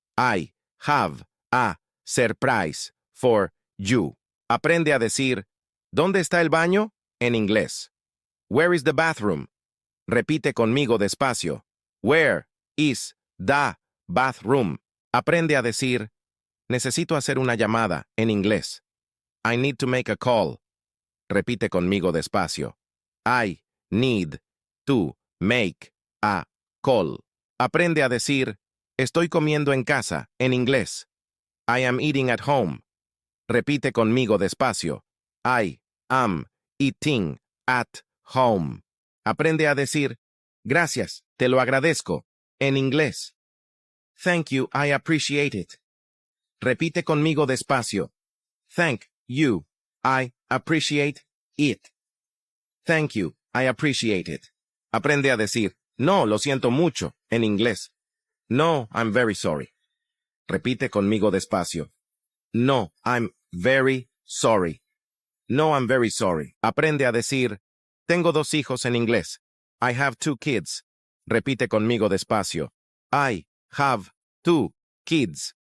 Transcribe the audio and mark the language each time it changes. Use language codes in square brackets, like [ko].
[en] I have a surprise for you. [es] Aprende a decir, ¿dónde está el baño? En inglés. [en] Where is the bathroom? [es] Repite conmigo despacio. [en] Where is the bathroom? [es] Aprende a decir, necesito hacer una llamada en inglés. [en] I need to make a call. [es] Repite conmigo despacio. [en] I need to make a call. [es] Aprende a decir, estoy comiendo en casa en inglés. [en] I am eating at home. [es] Repite conmigo despacio. [en] I am eating at home. [es] Aprende a decir, gracias, te lo agradezco en inglés. [en] Thank you, I appreciate it. [es] Repite conmigo despacio. [en] Thank you, I appreciate it. Thank you, I appreciate it. [es] Aprende a decir, no, lo siento mucho, en inglés. [en] No, I'm very sorry. [es] Repite conmigo despacio. [en] No, I'm very sorry. No, I'm very sorry. [es] Aprende a decir, tengo dos hijos en inglés. [en] I have two kids. [es] Repite conmigo despacio. [en] I have two kids.